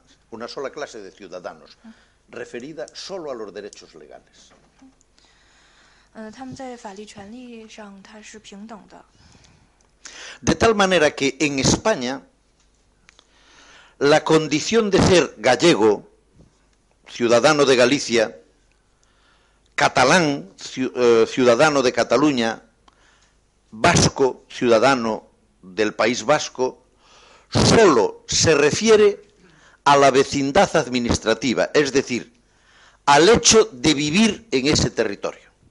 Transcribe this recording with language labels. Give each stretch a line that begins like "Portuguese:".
Spanish: una sola clase de ciudadanos, referida solo a los derechos legales.
Chinese: 他们在法律权利上它是平等的。
Spanish: De tal manera que en España la condición de ser gallego, ciudadano de Galicia, catalán, ciudadano de Cataluña, vasco, ciudadano del País Vasco, solo se refiere a la vecindad administrativa, es decir, al hecho de vivir en ese territorio.